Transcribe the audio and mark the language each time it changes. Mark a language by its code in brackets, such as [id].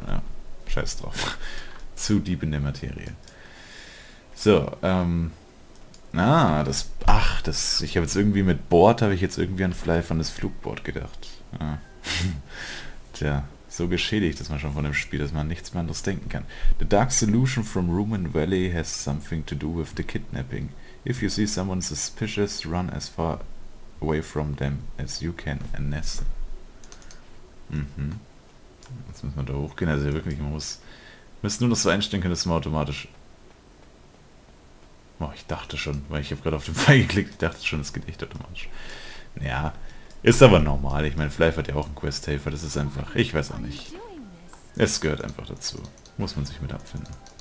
[de] Ja, scheiß drauf. Zu deep in der Materie. So, Ah, das. Ach, das. Ich habe jetzt irgendwie mit Board, habe ich jetzt irgendwie an Fly von das Flugboard gedacht. Ja. Tja, so geschädigt ist man schon von dem Spiel, dass man nichts mehr anderes denken kann. [en] The Dark Solution from Rumen Valley has something to do with the kidnapping. If you see someone suspicious, run as far away from them as you can and nest. [de] Jetzt müssen wir da hochgehen, also wirklich, man muss. Müssen nur noch so einstellen können, dass man automatisch. Oh, ich dachte schon, weil ich habe gerade auf den Pfeil geklickt. Ich dachte schon, es geht echt automatisch. Ja, ist aber normal. Ich meine, Fly hat ja auch einen Questhelfer. Das ist einfach. Ich weiß auch nicht. Es gehört einfach dazu. Muss man sich mit abfinden.